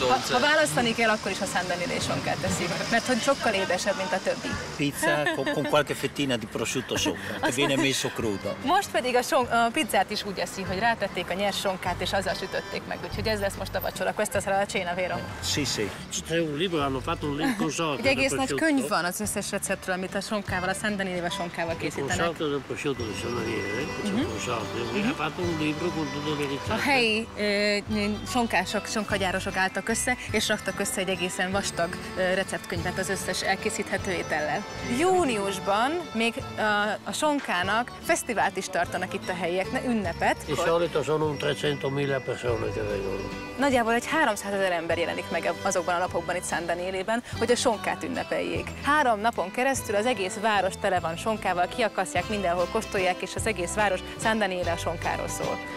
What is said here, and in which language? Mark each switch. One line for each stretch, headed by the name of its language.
Hungarian: Ha választani kell, akkor is a San Daniele sonkát teszik, mert hogy sokkal édesebb, mint a többi.
Italian: Pizza con qualche fettina di prosciutto sopra, che viene messo crudo.
Hungarian: Most pedig a pizzát is úgy eszi, hogy rátették a nyers sonkát, és azzal sütötték meg, úgyhogy ez lesz most a vacsora.
Italian: Questa sarà la cena, vero? Sì, sì. C'è un libro, hanno fatto un libro con sorte.
Hungarian: Egy egész nagy könyv van az összes receptről, amit a sonkával, a San Daniele sonkával készítenek.
Italian: Con sorte del prosciutto di San Daniele, ha fatto un libro con tutto le ricette.
Hungarian: A helyi sonkások, sonkagyárosok álltak össze, és raktak össze egy egészen vastag receptkönyvet az összes elkészíthető étellel. Júniusban még a sonkának fesztivált is tartanak itt a helyiek, ünnepet.
Italian: És solito sono un 300.000 persone che vengono.
Hungarian: Nagyjából egy 300.000 ember jelenik meg azokban a napokban itt San Danielében, hogy a sonkát ünnepeljék. 3 napon keresztül az egész város tele van sonkával, kiakasztják, mindenhol kóstolják, és az egész város San Daniele a sonkáról szól.